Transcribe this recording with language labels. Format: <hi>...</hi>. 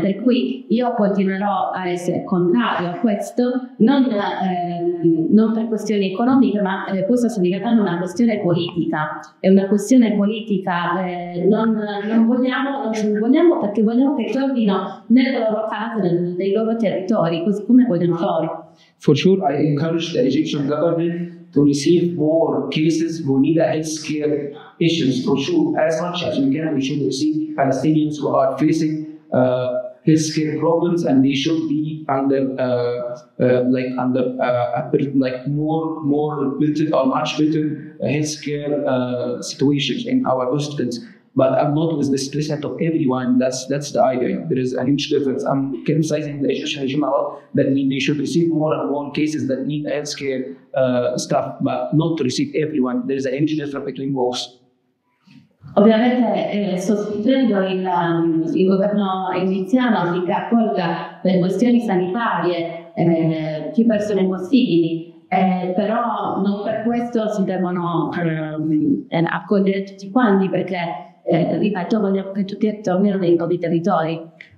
<it>Per cui io continuerò a essere contrario a questo, non per questioni economiche, ma questa è in realtà una questione politica. È una questione politica, non vogliamo perché vogliamo che tornino nelle loro case, nei loro territori, così come vogliono loro.</it> <en>For sure, I encourage the Egyptian government to receive more cases who need health care. issues for sure, as much as we can, we should receive Palestinians who are facing healthcare problems, and they should be under much better healthcare situations in our hospitals. But I'm not with the stress out of everyone. That's the idea. There is a huge difference. I'm criticizing the Egyptian regime a lot. That means they should receive more and more cases that need healthcare stuff, but not to receive everyone. There is a huge difference between both.</en> <it>Ovviamente sostituendo il governo egiziano si accolga per questioni sanitarie più persone possibili, però non per questo si devono accogliere tutti quanti, perché ripeto, vogliamo che tutti tornino nei propri territori.</it>